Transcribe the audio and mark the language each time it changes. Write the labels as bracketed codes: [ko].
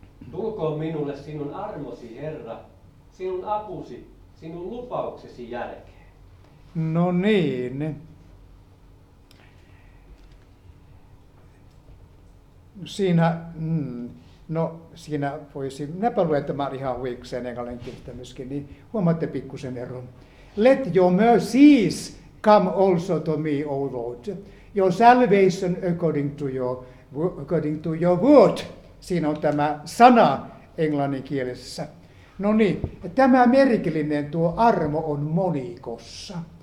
[fi] Tulkoon minulle sinun armosi, Herra, sinun apusi, sinun lupauksesi jälkeen. No niin. Siinä voisi, minäpä luen tämän ihan huikseen englannin kirjasta myöskin, niin huomaatte pikkusen eron. [en] Let your mercies come also to me, O Lord, your salvation according to your word. [fi] Siinä on tämä sana englannin kielessä. No niin, tämä merkillinen tuo armo on monikossa.